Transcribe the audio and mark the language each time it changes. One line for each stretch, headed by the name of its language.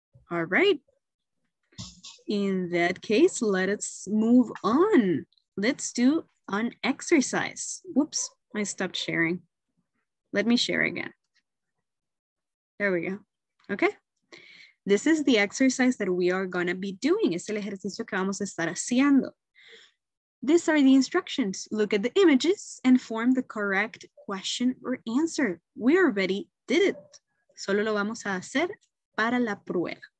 English: All right, in that case, let's move on. Let's do an exercise. Whoops, I stopped sharing. Let me share again. There we go, okay. This is the exercise that we are gonna be doing.
Spanish: Es el ejercicio que vamos a estar haciendo.
English: These are the instructions. Look at the images and form the correct question or answer. We already did it.
Spanish: Solo lo vamos a hacer para la prueba.